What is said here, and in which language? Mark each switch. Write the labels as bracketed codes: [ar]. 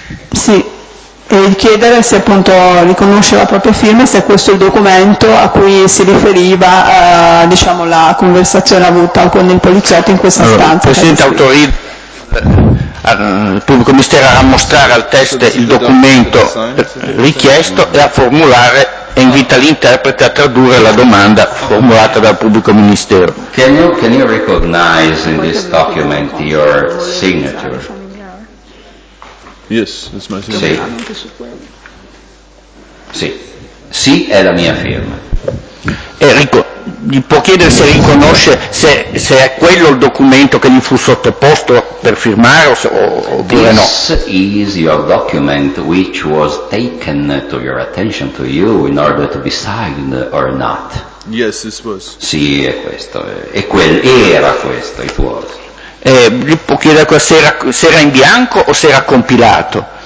[it] Sì, e chiedere se appunto riconosce la propria firma, se questo è il documento a cui si riferiva diciamo la conversazione avuta con il poliziotto in questa stanza. Allora, Presidente, autorizza il pubblico ministero a mostrare al test il documento richiesto e a formulare, e invita l'interprete a tradurre la domanda formulata dal pubblico ministero. [en] Can you recognize in this document your signature? Yes, it's my signature. [it] Sì, è la mia firma. Enrico, gli può chiedere se riconosce se è quello il documento che gli fu sottoposto per firmare oppure no. [en] This is your document which was taken to your attention to you in order to be signed or not. Yes, this was. [it] Sì, è questo, è quel, era questo, [en] it was. [it] Gli può chiedere se era in bianco o se era compilato.